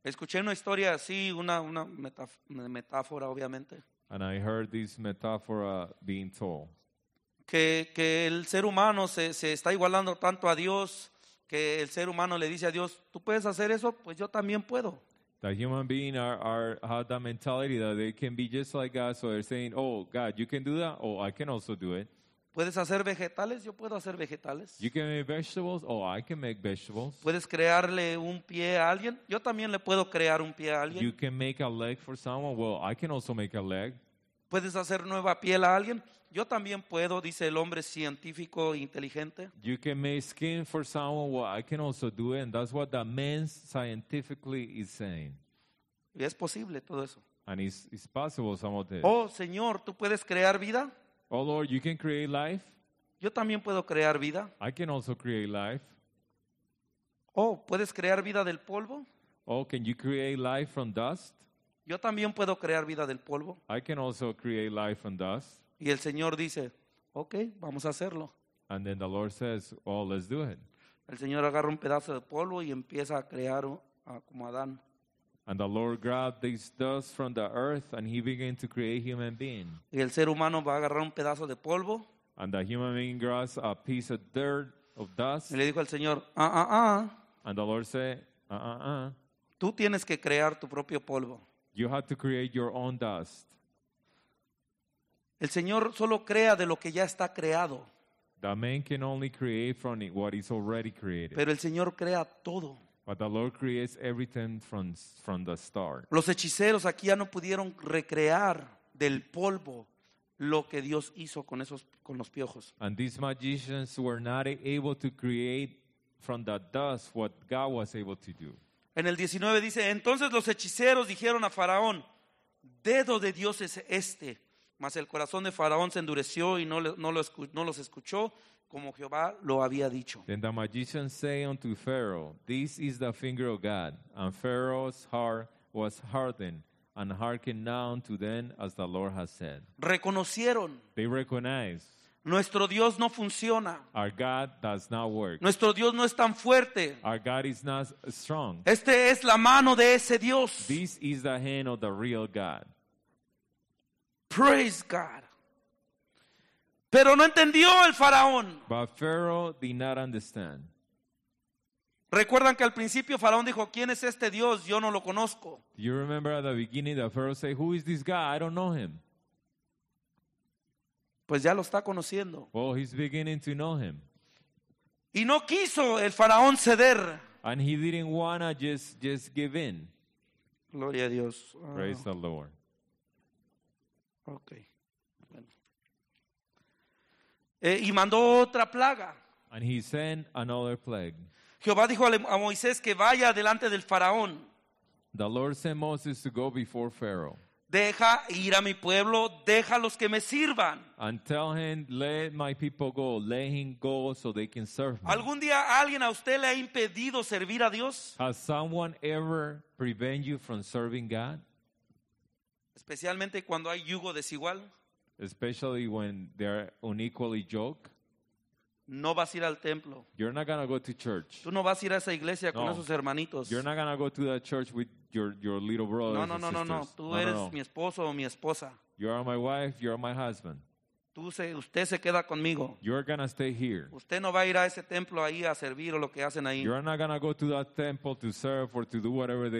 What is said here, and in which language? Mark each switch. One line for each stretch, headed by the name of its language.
Spanish: Escuché una historia así, una metáfora, obviamente.
English: And I heard this metaphor being told.
Spanish: Que el ser humano se está igualando tanto a Dios que el ser humano le dice a Dios, tú puedes hacer eso, pues yo también puedo.
English: The human being are have that mentality that they can be just like God, so they're saying, oh God, you can do that, oh I can also do it.
Spanish: ¿Puedes hacer vegetales? Yo puedo hacer vegetales.
English: You can make vegetables? Oh, I can make vegetables.
Spanish: ¿Puedes crearle un pie a alguien? Yo también le puedo crear un pie a alguien.
English: You can make a leg for someone? Well, I can also make a leg.
Spanish: ¿Puedes hacer nueva piel a alguien? Yo también puedo, dice el hombre científico e inteligente.
English: You can make skin for someone? Well, I can also do it. And that's what the man scientifically is saying.
Spanish: Y es posible todo eso.
English: And it's possible some of this.
Spanish: Oh, Señor, ¿tú puedes crear vida?
English: Oh Lord, you can create life.
Spanish: Yo también puedo crear vida.
English: I can also create life.
Spanish: Oh, ¿puedes crear vida del polvo?
English: Oh, can you create life from dust?
Spanish: Yo también puedo crear vida del polvo.
English: I can also create life from dust.
Spanish: Y el Señor dice, okay, vamos a hacerlo.
English: And then the Lord says, oh, let's do it.
Spanish: El Señor agarra un pedazo de polvo y empieza a crear como Adán.
English: And the Lord grabbed this dust from the earth and he began to create human being.
Spanish: Y el ser humano va a agarrar un pedazo de polvo.
English: And the human being grabs a piece of dirt of dust.
Spanish: Y le dijo al Señor, ah.
English: And the Lord said, ah.
Spanish: Tú tienes que crear tu propio polvo.
English: You have to create your own dust.
Spanish: El Señor solo crea de lo que ya está creado.
English: The man can only create from it what is already created.
Spanish: Pero el Señor crea todo.
English: But the Lord creates everything from the start.
Spanish: Los hechiceros aquí ya no pudieron recrear del polvo lo que Dios hizo con los piojos.
English: And these magicians were not able to create from the dust what God was able to do.
Spanish: En el 19 dice, entonces los hechiceros dijeron a Faraón, dedo de Dios es este. Mas el corazón de Faraón se endureció y no los escuchó. Como Jehová lo había dicho.
English: Then the magician said unto Pharaoh, this is the finger of God. And Pharaoh's heart was hardened, and hearkened now unto them as the Lord has said.
Spanish: Reconocieron.
English: They recognized.
Spanish: Nuestro Dios no funciona.
English: Our God does not work.
Spanish: Nuestro Dios no es tan fuerte.
English: Our God is not strong.
Spanish: Este es la mano de ese Dios.
English: This is the hand of the real God. Praise God.
Spanish: Pero no entendió el faraón.
English: But Pharaoh did not understand.
Spanish: ¿Recuerdan que al principio faraón dijo, ¿quién es este Dios? Yo no lo conozco.
English: You remember at the beginning that Pharaoh said, who is this God? I don't know him.
Spanish: Pues ya lo está conociendo.
English: Well, he's beginning to know him.
Spanish: Y no quiso el faraón ceder.
English: And he didn't want to just give in.
Spanish: Gloria a Dios.
English: Praise the Lord. Okay.
Spanish: Y mandó otra plaga.
English: And he sent another plague.
Spanish: Jehová dijo a Moisés que vaya delante del faraón.
English: The Lord sent Moses to go before Pharaoh.
Spanish: Deja ir a mi pueblo, deja los que me sirvan.
English: And tell him, let my people go, let him go so they can serve me.
Spanish: ¿Algún día alguien a usted le ha impedido servir a Dios?
English: Has someone ever prevented you from serving God?
Spanish: Especialmente cuando hay yugo desigual.
English: Especially when they're unequally yoked.
Spanish: No vas a ir al templo.
English: You're not gonna go to church.
Spanish: Tú no vas a ir a esa iglesia con esos hermanitos.
English: You're not gonna go to that church with your little brothers and sisters.
Spanish: No. Tú eres mi esposo o mi esposa.
English: You are my wife. You are my husband.
Spanish: Usted se queda conmigo.
English: You're gonna stay here.
Spanish: Usted no va a ir a ese templo ahí a servir o lo que hacen ahí.
English: You're not gonna go to that temple to serve or to do whatever they